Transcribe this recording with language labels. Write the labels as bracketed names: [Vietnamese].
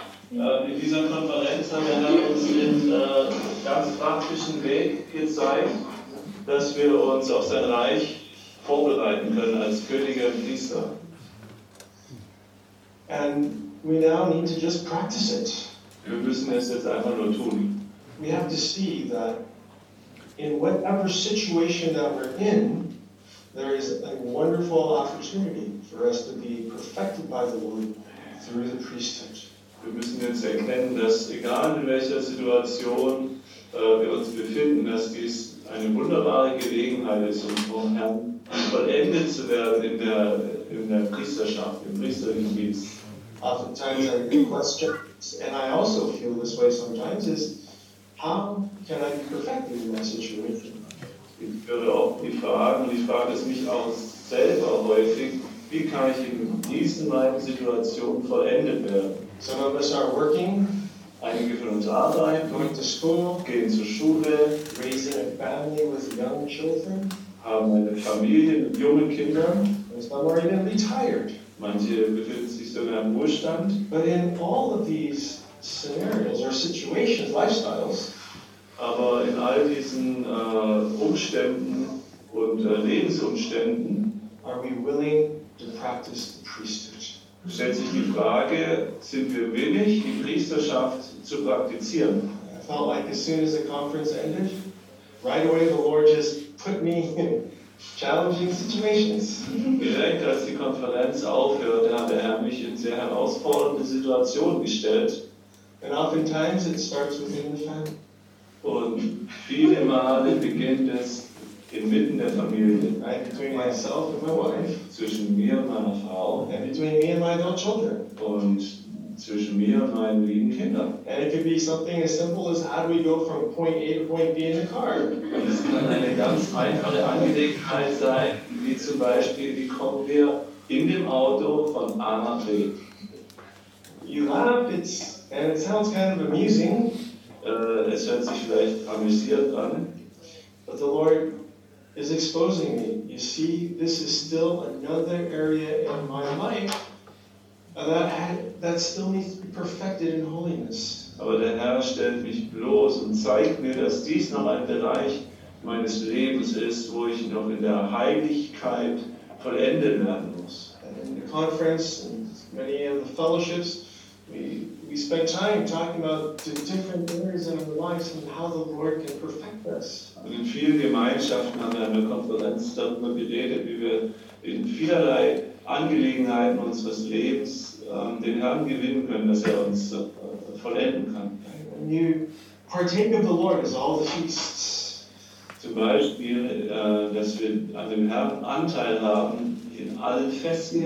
[German] In dieser Konferenz haben wir dann uns den ganz praktischen Weg gezeigt, dass wir uns auf sein Reich vorbereiten können als Könige und Priester. [English] And we now need to just practice it. [German] Wir müssen es jetzt einfach nur tun. [English] We have to see that in whatever situation that we're in, there is a wonderful opportunity for us to be perfected by the Lord through the priesthood. [German] Wir müssen jetzt erkennen, dass egal in welcher Situation wir uns befinden, dass dies eine wunderbare Gelegenheit ist, um vom Herrn vollendet zu werden in der Priesterschaft, im priesterlichen Dienst. [English] Oftentimes I request justice, and I also feel this way sometimes, is how can I be perfected in my situation? [German] Ich würde oft die Frage, und ich frage es mich auch selber häufig, wie kann ich in diesen meinen Situationen vollendet werden? [English] Some of us are working. [German] Einige von uns arbeiten. [English] Going to school. [German] Gehen zur Schule. [English] Raising a family with young children. [German] Haben eine Familie mit jungen Kindern. [English] And some are even retired. [German] Manche befinden sich sogar im Ruhestand. [English] But in all of these scenarios or situations, lifestyles. [German] Aber in all diesen Umständen und Lebensumständen. [English] Are we willing to practice the priesthood? [German] Stellt sich die Frage, sind wir willig, die Priesterschaft zu praktizieren? [English] I felt like as soon as the conference ended, right away the Lord just put me in challenging situations. [German] Direkt als die Konferenz aufhört, hat der Herr mich in sehr herausfordernde Situationen gestellt. [English] And oftentimes it starts within the family. [German] Und viele Male beginnt es inmitten der Familie, [English] right? Between myself and my wife, [German] zwischen mir und meiner Frau, [English] and between me and my adult children, [German] und zwischen mir und meinen lieben Kindern. [English] And it could be something as simple as how do we go from point A to point B in the car? [German] Und es kann eine ganz einfache Angelegenheit sein, wie zum Beispiel, wie kommen wir in dem Auto von A nach B? [English] You laugh, and it sounds kind of amusing. [German] Es hört sich vielleicht amüsiert an. [English] But the Lord is exposing me. You see, this is still another area in my life that still needs to be perfected in holiness. [German] Aber der Herr stellt mich bloß und zeigt mir, dass dies noch ein Bereich meines Lebens ist, wo ich noch in der Heiligkeit vollendet werden muss. [English] And in the conference and many of the fellowships, we spend time talking about the different areas in our lives and how the Lord can perfect us. [German] Und in vielen Gemeinschaften haben wir an der Konferenz darüber geredet, wie wir in vielerlei Angelegenheiten unseres Lebens den Herrn gewinnen können, dass er uns vollenden kann. [English] When you partake of the Lord as all the feasts. [German] Zum Beispiel, dass wir an dem Herrn Anteil haben in allen Festen.